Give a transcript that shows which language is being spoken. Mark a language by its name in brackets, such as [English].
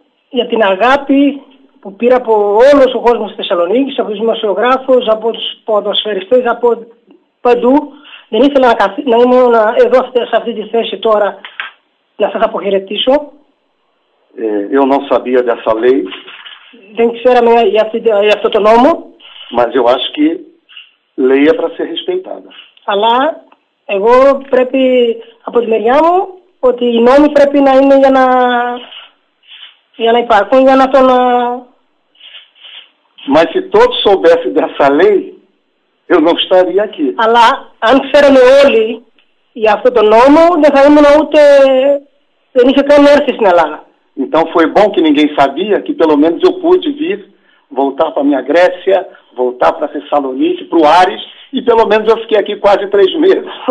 [Greek] Για την αγάπη που πήρα από όλος ο κόσμος της Θεσσαλονίκης, από τους δημοσιογράφους, από τους ποδοσφαιριστές, από παντού. Δεν ήθελα να ήμουν εδώ σε αυτή τη θέση τώρα να σας αποχαιρετήσω. [Portuguese] Eu não sabia dessa lei. [Greek] Δεν ξέραμε για αυτό το νόμο. [Portuguese] Mas eu acho que lei é para ser respeitada. [Greek] Αλλά εγώ πρέπει από τη μεριά μου ότι οι νόμοι πρέπει να είναι για να υπάρχουν, για να τον... [Portuguese] Mas se todos soubessem dessa lei, eu não estaria aqui. [Greek] Αλλά αν ξέραμε όλοι για αυτό το νόμο, δεν θα ήμουν ούτε... Δεν είχε καν έρθει στην Ελλάδα. [Portuguese] Então foi bom que ninguém sabia que pelo menos eu pude vir, voltar para a minha Grécia, voltar para a Thessalonique, para o Ares E pelo menos eu fiquei aqui quase 3 meses.